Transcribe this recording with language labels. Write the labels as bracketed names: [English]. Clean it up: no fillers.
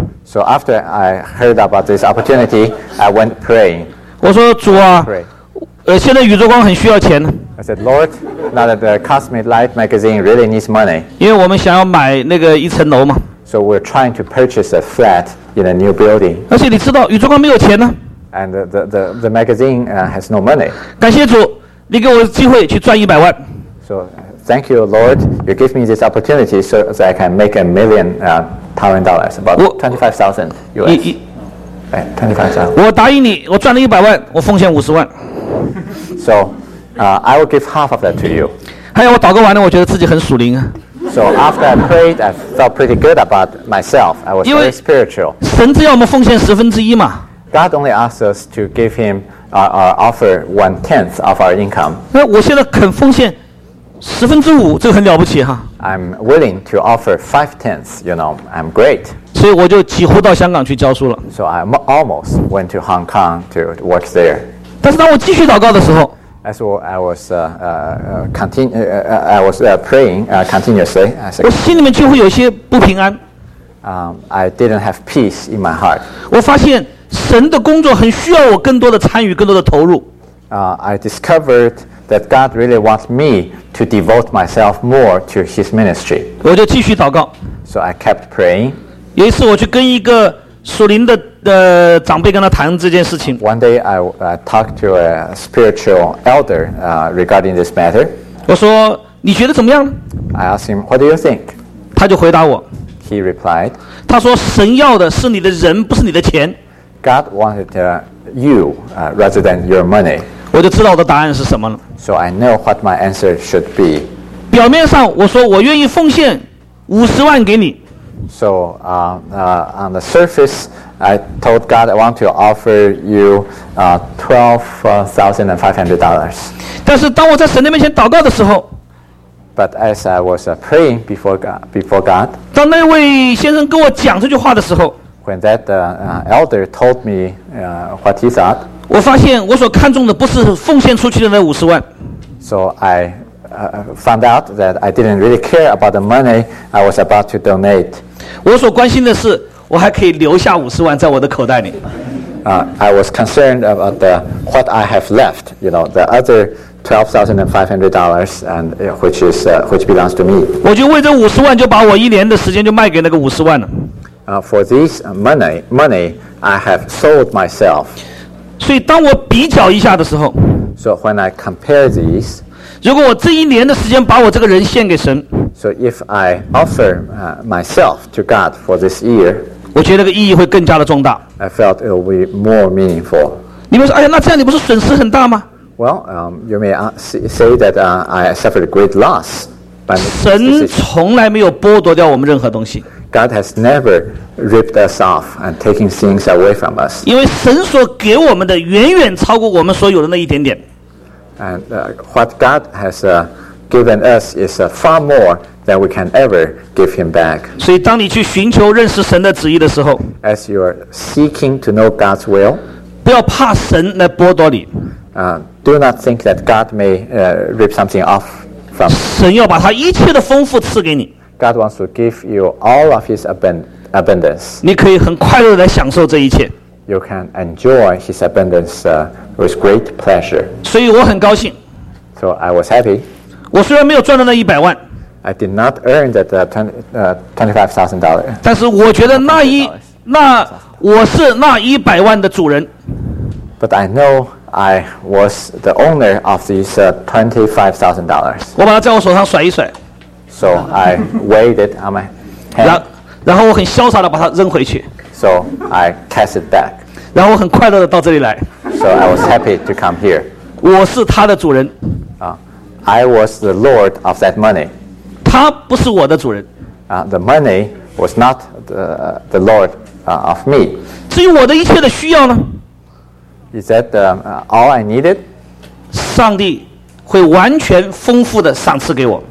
[English] So after I heard about this opportunity, I went praying. [Chinese] 我说主啊，现在宇宙光很需要钱。 [English] I said, Lord, now that the Cosmic Light magazine really needs money. [Chinese] 因为我们想要买那个一层楼嘛。 [English] So we're trying to purchase a flat in a new building. [Chinese] 而且你知道，宇宙光没有钱呢。 [English] And the magazine has no money. [Chinese] 感谢主，你给我机会去赚100万。 [English] So thank you, Lord, you give me this opportunity so that I can make $1 million Taiwan dollars, about 25,000 US. [Chinese] 我答应你，我赚了100万，我奉献50万。 [English] So, I will give half of that to you. [Chinese] 还有我祷告完了，我觉得自己很属灵啊。 [English] So after I prayed, I felt pretty good about myself. I was very spiritual. [Chinese] 神只要我们奉献十分之一嘛。 [English] God only asks us to give him our offer 1/10 of our income. [Chinese] 那我现在肯奉献十分之五，这个很了不起哈。 [English] I'm willing to offer 5/10. You know, I'm great. [Chinese] 所以我就几乎到香港去教书了。 [English] So I almost went to Hong Kong to work there. [Chinese] 但是当我继续祷告的时候 [English] ，as well, I was praying continuously. [Chinese] 我心里面几乎有一些不平安。 [English] I didn't have peace in my heart. [Chinese] 我发现神的工作很需要我更多的参与，更多的投入。 [English] I discovered that God really wants me to devote myself more to His ministry. [Chinese] 我就继续祷告。 [English] So I kept praying. [Chinese] 有一次我去跟一个属灵的长辈跟他谈这件事情。 [English] One day I talked to a spiritual elder regarding this matter. [Chinese] 我说你觉得怎么样？ [English] I asked him, what do you think? [Chinese] 他就回答我。 [English] He replied. [Chinese] 他说神要的是你的人，不是你的钱。 [English] God wanted you rather than your money. [Chinese] 我就知道我的答案是什么了。 [English] So I know what my answer should be. [Chinese] 表面上我说我愿意奉献50万给你。 [English] So on the surface, I told God I want to offer you $12,500. [Chinese] 但是当我在神的面前祷告的时候 [English] ，But as I was praying before God, [Chinese] 当那位先生跟我讲这句话的时候 [English] ，When that elder told me what he thought. [Chinese] 我发现我所看重的不是奉献出去的那五十万。 [English] So I found out that I didn't really care about the money I was about to donate. [Chinese] 我所关心的是我还可以留下五十万在我的口袋里。 [English] I was concerned about what I have left, you know, the other $12,500 and which belongs to me. [Chinese] 我就为这五十万就把我一年的时间就卖给那个五十万了。 [English] For this money, I have sold myself. [Chinese] 所以当我比较一下的时候 [English] So when I compare these [Chinese] 如果我这一年的时间把我这个人献给神 [English] So if I offer myself to God for this year [Chinese] 我觉得这个意义会更加的重大 [English] I felt it will be more meaningful [Chinese] 你们说哎呀那这样你不是损失很大吗 [English] Well, you may say that I suffered a great loss [Chinese] 神从来没有剥夺掉我们任何东西 [English] God has never ripped us off and taking things away from us. [Chinese] 因为神所给我们的远远超过我们所有的那一点点。 [English] And what God has given us is far more than we can ever give him back. [Chinese] 所以当你去寻求认识神的旨意的时候 [English] As you are seeking to know God's will, [Chinese] 不要怕神来剥夺你。 [English] Do not think that God may rip something off from you. [Chinese] 神要把他一切的丰富赐给你。 [English] God wants to give you all of His abundance. [Chinese] 你可以很快乐地享受这一切。 [English] You can enjoy His abundance with great pleasure. [Chinese] 所以我很高兴。 [English] So I was happy. [Chinese] 我虽然没有赚到那一百万。 [English] I did not earn that $25,000. [Chinese] 但是我觉得那我是那一百万的主人。 [English] But I know I was the owner of these $25,000. [Chinese] 我把它在我手上甩一甩。 [English] So I weighed it on my hand. [Chinese] 然后我很潇洒地把它扔回去。 [English] So I cast it back. [Chinese] 然后我很快乐地到这里来。 [English] So I was happy to come here. [Chinese] 我是他的主人。 [English] I was the lord of that money. [Chinese] 他不是我的主人。 [English] The money was not the lord of me. [Chinese] 至于我的一切的需要呢？ [English] He said, all I needed, [Chinese] 上帝会完全丰富的赏赐给我。